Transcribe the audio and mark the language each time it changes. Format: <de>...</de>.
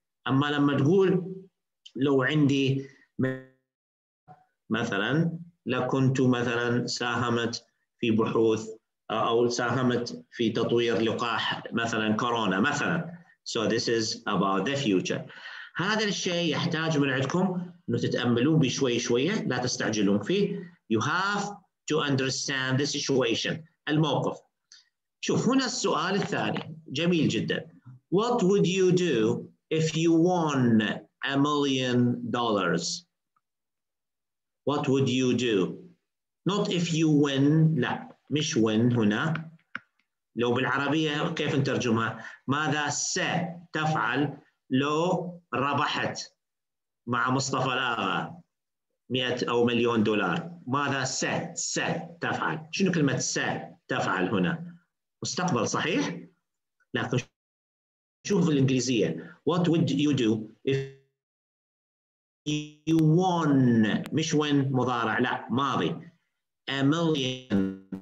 <ar>اما لما تقول لو عندي مثلا لكنت مثلا ساهمت في بحوث او ساهمت في تطوير لقاح مثلا كورونا مثلا.</ar> <en>So this is about the future.</en> <ar>هذا الشيء يحتاج من عندكم انه تتاملون بشوي شوي، لا تستعجلون فيه.</ar> <en>You have to understand the situation، الموقف.</en> <ar>شوف هنا السؤال الثاني جميل جدا.</ar> <en>What would you do if you won $1 million؟ What would you do؟ Not if you win،</en> <ar>لا مش</ar> <en>win هنا.</en> <ar>لو بالعربية كيف نترجمها؟ ماذا ستفعل لو ربحت مع مصطفى الأغا 100 أو مليون دولار؟ ماذا ستفعل؟ شنو كلمة ستفعل هنا؟ مستقبل صحيح؟ لكن شوف في الإنجليزية</ar> <en>What would you do if you won،</en> <ar>مش win مضارع، لا ماضي، $1 million.</ar>